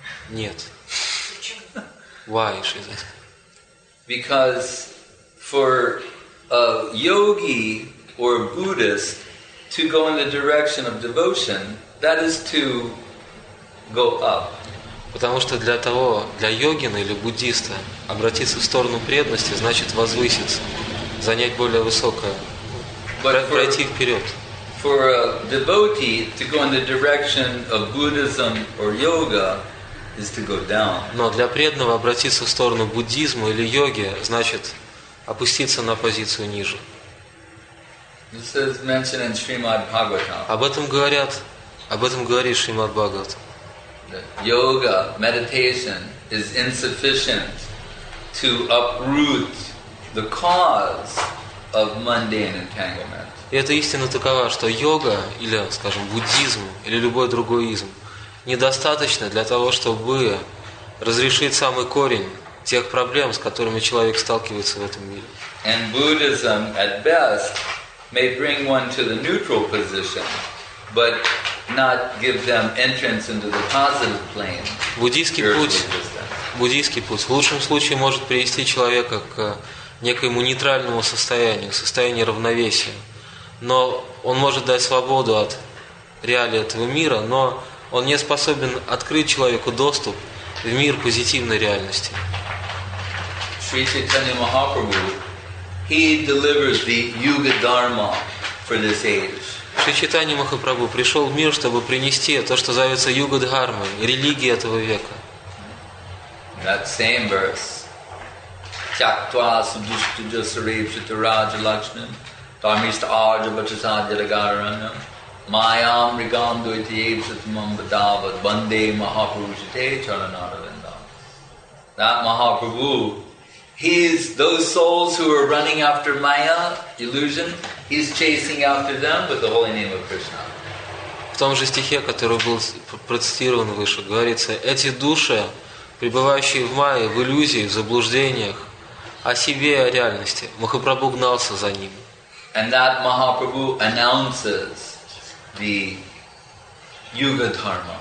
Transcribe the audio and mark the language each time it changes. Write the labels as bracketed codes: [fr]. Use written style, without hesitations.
[ru] Нет. [en] Why, she says? Because for a yogi or a Buddhist to go in the direction of devotion, that is to go up. [ru] Потому что для того, для йогина или буддиста обратиться в сторону преданности, значит возвыситься, занять более высокое, пройти вперед. [en] For a devotee to go in the direction of Buddhism or yoga is to go down. [ru] Но для преданного обратиться в сторону буддизма или йоги, значит опуститься на позицию ниже. [en] This is mentioned in Srimad Bhagavatam. [ru] Об этом говорит Шримад Бхагаватам. [en] Yoga, meditation is insufficient to uproot the cause of mundane entanglement. [ru] И эта истина такова, что йога или, скажем, буддизм или любой другой изм недостаточно для того, чтобы разрешить самый корень тех проблем, с которыми человек сталкивается в этом мире. [en] And Buddhism at best may bring one to the neutral position, but not give them entrance into the positive plane. [ru] Буддийский путь в лучшем случае может привести человека к некоему нейтральному состоянию, состоянию равновесия. Но он может дать свободу от реалий этого мира, но он не способен открыть человеку доступ в мир позитивной реальности. [en] Шри Чайтанья Махапрабху, he delivers the Yuga Dharma for this age. [ru] Шри Чайтанья Махапрабху пришел в мир, чтобы принести то, что зовется Юга Дхармой, религией этого века. [en] That same verse. [sa] Чактва субдуштуджа сарепшита раджа лакшнам тамишта арджа бачасадья лагараннам майам ригам дуйти епшита мамбадават банде махапрушите чаранаравиндам. [en] That Mahaprabhu, he's those souls who are running after Maya, illusion, he's chasing after them with the holy name of Krishna. [ru] В том же стихе, который был процитирован выше, говорится, эти души, пребывающие в Майе, в иллюзии, в заблуждениях, о себе и о реальности, Махапрабху гнался за ними. [en] And that Mahaprabhu announces the Yuga Dharma.